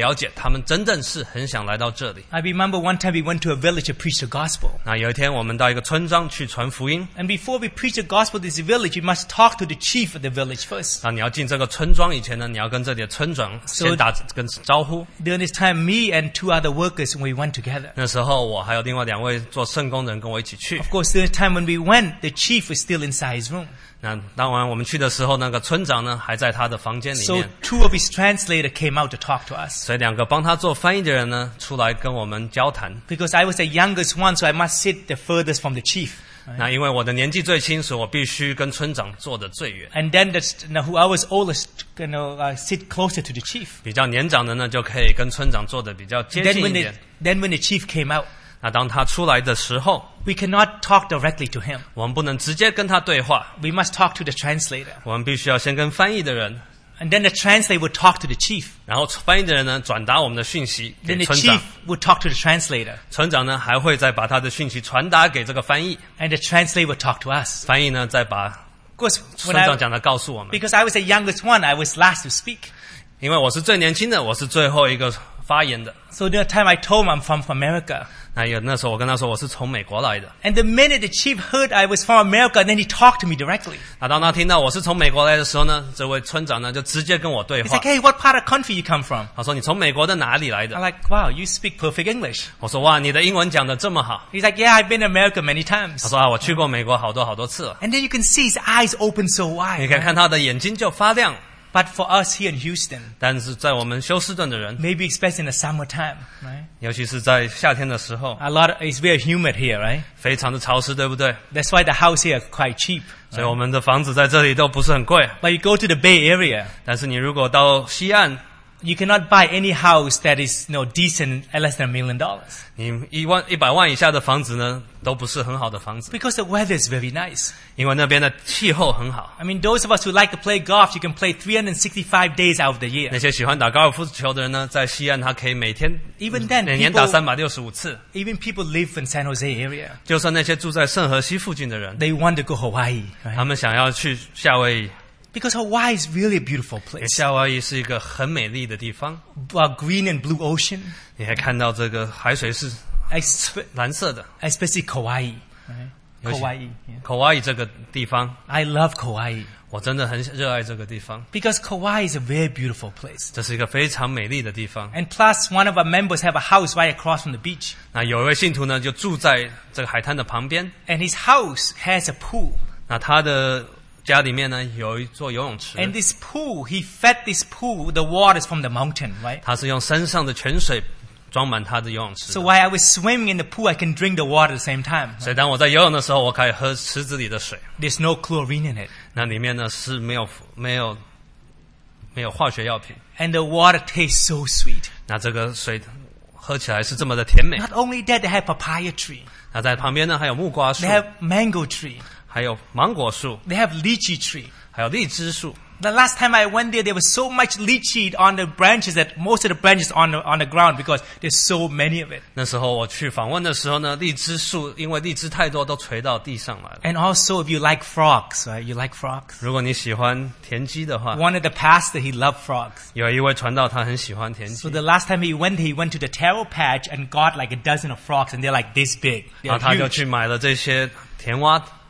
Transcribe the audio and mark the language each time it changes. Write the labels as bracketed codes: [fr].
[zh] 你在跟他们谈到美国的时候呢，你了解他们真正是很想来到这里。 [en] I remember one time we went to a village to preach the gospel. [zh] 那有一天我们到一个村庄去传福音。And [en] before we preach the gospel to this village, you must talk to the chief of the village first. [zh] 那你要进这个村庄以前呢，你要跟这里的村长先打跟招呼。 [en] During this time, me and two other workers, we went together. [zh] 那时候我还有另外两位做圣工的人跟我一起去。 [en] Of course, during this time when we went, the chief was still inside his room. [zh] 那当晚我们去的时候，那个村长呢还在他的房间里面。 [en] So two of his translators came out to talk to us. [zh] 所以两个帮他做翻译的人呢，出来跟我们交谈。Because [en] I was the youngest one, so I must sit the furthest from the chief. [zh] 那因为我的年纪最轻，所以我必须跟村长坐得最远。And [en] then whoever's oldest, you know, sit closer to the chief. [zh] 比较年长的呢，就可以跟村长坐得比较接近一点。 [en] Then when the chief came out. [zh] 那当他出来的时候, [en] we cannot talk directly to him. [zh] 我们不能直接跟他对话。 [en] We must talk to the translator. [zh] 我们必须要先跟翻译的人。 [en] And then the translator would talk to the chief. [zh] 然后翻译的人呢，转达我们的讯息给村长。 [en] Then the chief would talk to the translator. [zh] 村长呢，还会再把他的讯息传达给这个翻译。 [en] And the translator would talk to us. [zh] 翻译呢，再把村长讲的告诉我们。 [en] Because I was the youngest one, I was last to speak. [zh] 因为我是最年轻的，我是最后一个。发言的。 [en] So the time I told him I'm from America. [zh] 那时候我跟他说我是从美国来的。 [en] And the minute the chief heard I was from America, then he talked to me directly. [zh] 当他听到我是从美国来的时候呢，这位村长呢就直接跟我对话。 [en] He's like, hey, what part of country you come from? [zh] 他说你从美国的哪里来的 [en] ？I'm like, wow, you speak perfect English. [zh] 我说哇，你的英文讲得这么好。 [en] He's like, yeah, I've been to America many times. [zh] 他说啊，我去过美国好多好多次。 [en] And then you can see his eyes open so wide. [zh] 你可以看他的眼睛就发亮。 [en] But for us here in Houston, [zh] 但是在我们休斯顿的人 [en] maybe especially in the summertime, right? [zh] 尤其是在夏天的时候 [en] a lot of, it's very humid here, right? [zh] 非常的潮湿，对不对？ [en] That's why the house here is quite cheap. [zh] 所以我们的房子在这里都不是很贵。 [en] But you go to the Bay Area, [zh] 但是你如果到西岸 [en] you cannot buy any house that is, you know, decent at less than $1 million. [zh] 你100万以下的房子呢，都不是很好的房子。 [en] Because the weather is very nice. [zh] 因为那边的气候很好。 [en] I mean, those of us who like to play golf, you can play 365 days out of the year. [zh] 那些喜欢打高尔夫球的人呢，在西岸他可以每天 [en] even then, [zh] 每年打365次。 [en] Even people live in San Jose area. [zh] 就算那些住在圣何西附近的人 [en] they want to go Hawaii.、Right? [zh] 他们想要去夏威夷。 [en] Because Hawaii is really a beautiful place. [zh] 夏威夷是一个很美丽的地方。 [en] A green and blue ocean. [zh] 你还看到这个海水是蓝色的。 [en] Especially Kauai. Kauai. [zh] Kauai 这个地方。 [en] I love Kauai. [zh] 我真的很热爱这个地方。 [en] Because Kauai is a very beautiful place. [zh] 这是一个非常美丽的地方。 [en] And plus, one of our members have a house right across from the beach. [zh] 那有一位信徒呢，就住在这个海滩的旁边。 [en] And his house has a pool. [zh] 那他的家里面呢有一座游泳池。 [en] And this pool, he fed this pool the waters from the mountain, right? [zh] 他是用山上的泉水装满他的游泳池。 [en] So while I was swimming in the pool, I can drink the water at the same time. [zh] 所以当我在游泳的时候，我可以喝池子里的水。 [en] There's no chlorine in it. [zh] 那里面呢是没有化学药品。 [en] And the water tastes so sweet. [zh] 那这个水喝起来是这么的甜美。 [en] Not only that, they have papaya tree. [zh] 那在旁边呢还有木瓜树。 [en] They have mango tree. [zh] 还有芒果树 [en] They have lychee tree [zh] 还有荔枝树 [en] The last time I went there, there was so much lychee on the branches that most of the branches on the ground because there's so many of it. [zh] 那时候我去访问的时候呢，荔枝树因为荔枝太多都垂到地上来了。 [en] And also, if you like frogs, right? You like frogs. [zh] 如果你喜欢田鸡的话 [en] One of the pastors, he loved frogs. [zh] 有一位传道他很喜欢田鸡。 [en] So the last time he went to the taro patch and got like a dozen of frogs and they're like this big. [zh] 然后他就去买了这些田蛙。